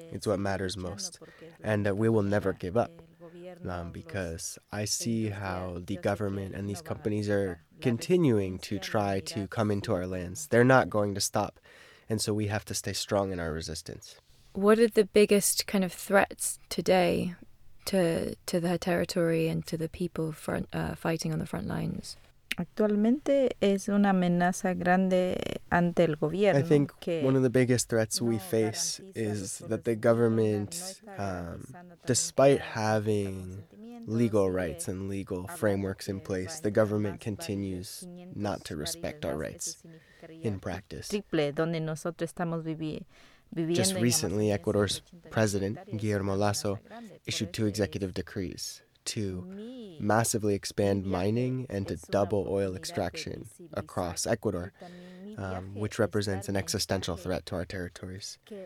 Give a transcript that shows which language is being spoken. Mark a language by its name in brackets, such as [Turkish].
[English] It's what matters most. And that we will never give up. Because I see how the government and these companies are continuing to try to come into our lands. They're not going to stop. And so we have to stay strong in our resistance. What are the biggest kind of threats today to their territory and to the people fighting on the front lines? [Spanish] Actualmente es una amenaza grande ante el gobierno. [English] I think one of the biggest threats we face is that the government, despite having legal rights and legal frameworks in place, the government continues not to respect our rights in practice. [Spanish] Triple, donde nosotros estamos viviendo. [English] Just recently, Ecuador's president, Guillermo Lasso, issued two executive decrees to massively expand mining and to double oil extraction across Ecuador, which represents an existential threat to our territories.